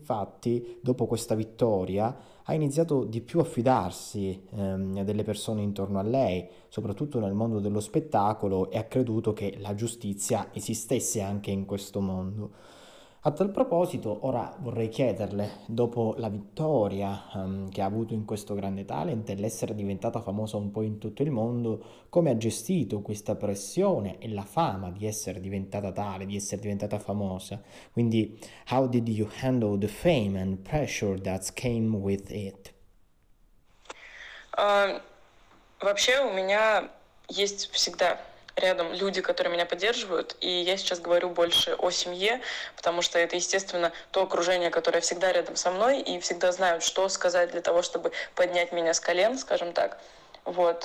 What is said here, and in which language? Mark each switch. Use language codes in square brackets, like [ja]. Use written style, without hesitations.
[it] Infatti, dopo questa vittoria, ha iniziato di più a fidarsi, delle persone intorno a lei, soprattutto nel mondo dello spettacolo, e ha creduto che la giustizia esistesse anche in questo mondo. A tal proposito, ora vorrei chiederle, dopo la vittoria, che ha avuto in questo grande talent e l'essere diventata famosa un po' in tutto il mondo, come ha gestito questa pressione e la fama di essere diventata tale, di essere diventata famosa? Quindi, [en] how did you handle the fame and pressure that came with it? [ru] Вообще у меня есть всегда рядом люди, которые меня поддерживают, и я сейчас говорю больше о семье, потому что это, естественно, то окружение, которое всегда рядом со мной и всегда знают, что сказать для того, чтобы поднять меня с колен, скажем так. Вот.